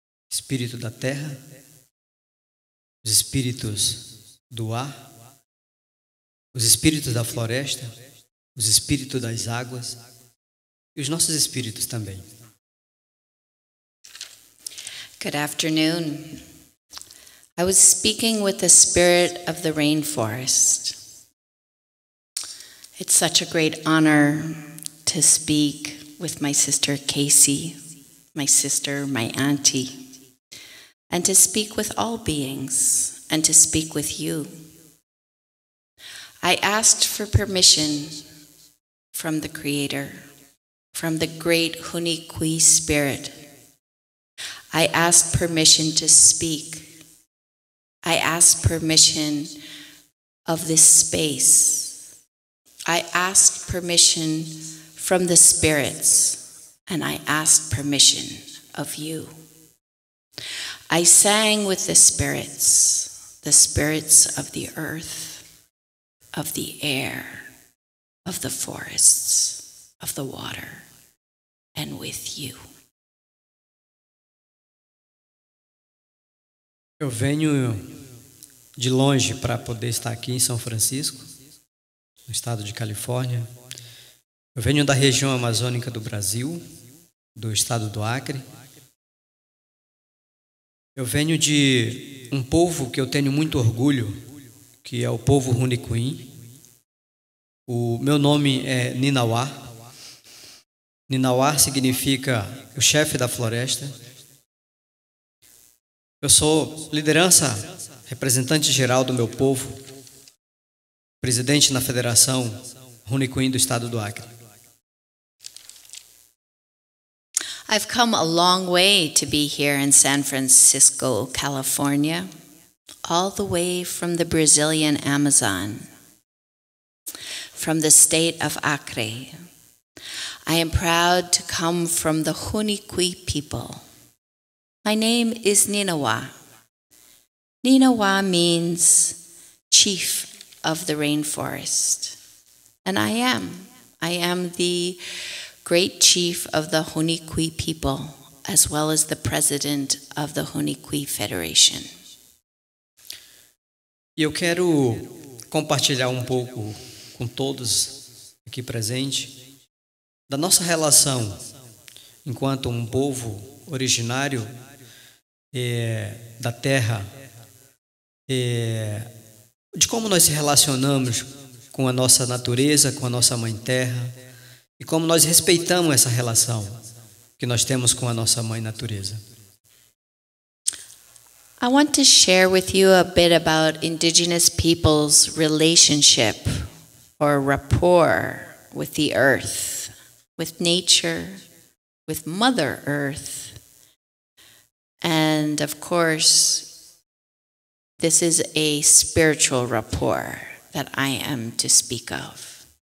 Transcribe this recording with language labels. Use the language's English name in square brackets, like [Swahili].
[Portuguese] Espírito da terra, os espíritos do ar, os espíritos da floresta, os espíritos das águas e os nossos espíritos também. [English] Good afternoon. I was speaking with the spirit of the rainforest. It's such a great honor to speak with my sister Casey, my sister, my auntie, and to speak with all beings, and to speak with you. I asked for permission from the Creator, from the great Huni Kui spirit. I ask permission to speak. I ask permission of this space. I ask permission from the spirits, and I ask permission of you. I sang with the spirits of the earth, of the air, of the forests, of the water, and with you. [Portuguese] Eu venho de longe para poder estar aqui em São Francisco, no estado de Califórnia. Eu venho da região amazônica do Brasil, do estado do Acre. Eu venho de um povo que eu tenho muito orgulho, que é o povo Hunikuin. O meu nome é Ninawa. Ninawa significa o chefe da floresta. Eu sou liderança, representante geral do meu povo, presidente na Federação Hunikuin do Estado do Acre. [English] I've come a long way to be here in San Francisco, California, all the way from the Brazilian Amazon, from the state of Acre. I am proud to come from the Hunikui people. My name is Ninawa. Ninawa means chief of the rainforest. And I am the great chief of the Hunikui people, as well as the president of the Hunikui Federation. [Portuguese] Eu quero compartilhar pouco com todos aqui presentes da nossa relação enquanto povo originário da terra, de como nós se relacionamos com a nossa natureza, com a nossa mãe terra, e como nós respeitamos essa relação, que nós temos com a nossa mãe natureza. [English] I want to share with you a bit about indigenous people's relationship or rapport with the earth, with nature, with Mother Earth. And of course, this is a spiritual rapport that I am to speak of.